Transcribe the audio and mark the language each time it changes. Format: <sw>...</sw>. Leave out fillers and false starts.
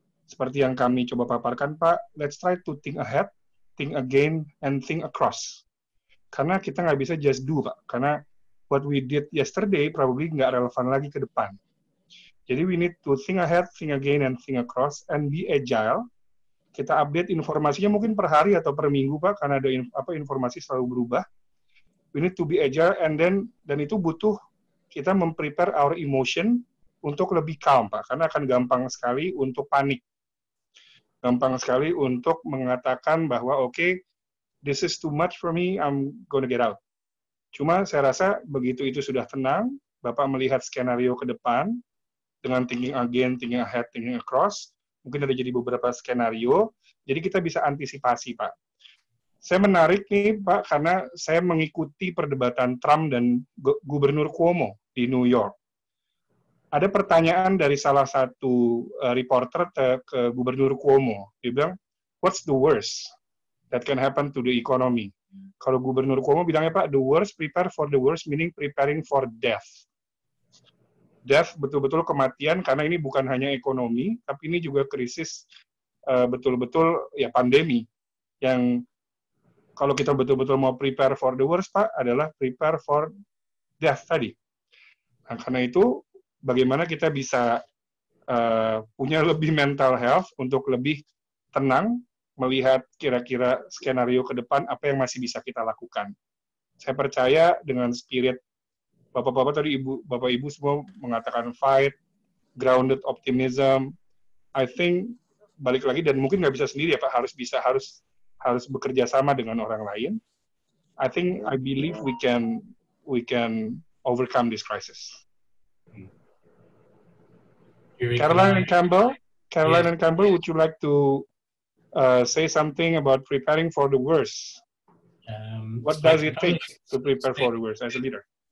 <id>Seperti yang kami coba paparkan, Pak,</id> <en>let's try to think ahead, think again, and think across.</en> <id>Karena kita nggak bisa</id> <en>just do,</en> <id>Pak. Karena</id> <en>what we did yesterday probably</en> <id>nggak relevan lagi ke depan.</id> <en>Jadi we need to think ahead, think again, and think across, and be agile.</en> <id>Kita update informasinya mungkin per hari atau per minggu, Pak, karena ada informasi selalu berubah.</id> <en>We need to be agile, and then,</en> <id>dan itu butuh kita memprepare</id> <en>our emotion</en> <id>untuk lebih</id> <en>calm, Pak.</en> <id>Karena akan gampang sekali untuk panik. Gampang sekali untuk mengatakan bahwa,</id> <en>okay, this is too much for me, I'm gonna get out.</en> <id>Cuma saya rasa begitu itu sudah tenang, Bapak melihat skenario ke depan, dengan thinking again, thinking ahead, thinking across, mungkin ada jadi beberapa skenario, jadi kita bisa antisipasi, Pak. Saya menarik nih, Pak, karena saya mengikuti perdebatan Trump dan Gubernur Cuomo di New York. Ada pertanyaan dari salah satu reporter ke Gubernur Cuomo. Dia bilang,</id> <en>what's the worst that can happen to the economy?</en> <id>Kalau Gubernur Cuomo bilangnya,</id> <en>Pak, the worst, prepare for the worst, meaning preparing for death.</en> <id>Death, betul-betul kematian, karena ini bukan hanya ekonomi, tapi ini juga krisis betul-betul ya pandemi. Yang kalau kita betul-betul mau</id> <en>prepare for the worst,</en> <id>Pak, adalah</id> <en>prepare for death</en> <id>tadi. Nah, karena itu, bagaimana kita bisa punya lebih mental health untuk lebih tenang melihat kira-kira skenario ke depan, apa yang masih bisa kita lakukan. Saya percaya dengan spirit Bapak-Bapak tadi, Ibu, Bapak-Ibu semua mengatakan fight,</id> <en>grounded optimism. I think</en> <id>balik lagi, dan mungkin nggak bisa sendiri ya Pak, harus bekerja sama dengan orang lain.</id> <en>I think, I believe we can overcome this crisis. Caroline and Campbell, would you like to say something about preparing for the worst? What does it take to prepare for the worst as a leader?</en>